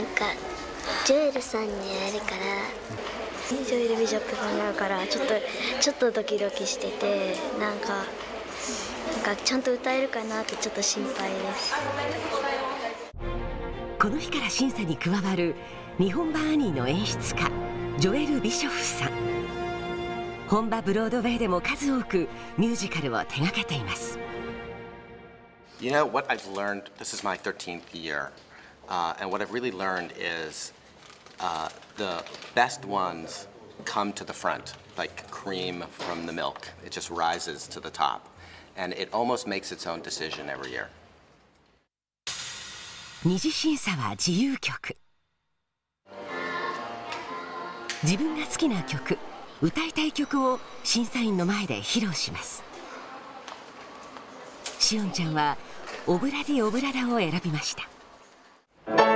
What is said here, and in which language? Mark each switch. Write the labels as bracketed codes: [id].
[ja] なんかジョエルさんに会えるから、ジョエル美女っぽくなるから、ちょっとドキドキしてて、なんかちゃんと歌えるかなってちょっと心配です。この日から審査に加わる日本版アニーの演出家ジョエル・ビショフさん、本場ブロードウェイでも数多くミュージカルを手掛けています。 [en] You know what I've learned, this is my 13th year、and what I've really learned is、the best ones come to the front like cream from the milk. It just rises to the top and it almost makes its own decision every year. [ja] 二次審査は自由曲、自分が好きな曲、歌いたい曲を審査員の前で披露します。シオンちゃんはオブラディオブラダを選びました。